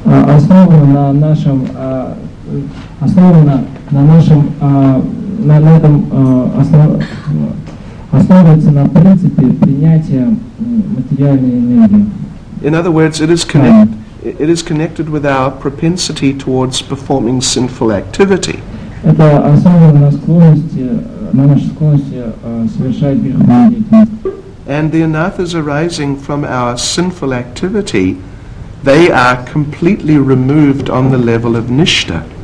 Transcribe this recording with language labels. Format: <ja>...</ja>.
<en>In other words, it is connected with our propensity towards performing sinful activity.</en> <ru>Это основано на нашей склонности совершать греховные деяния.</ru> <en>And the anathas arising from our sinful activity, they are completely removed on the level of nishta.</en>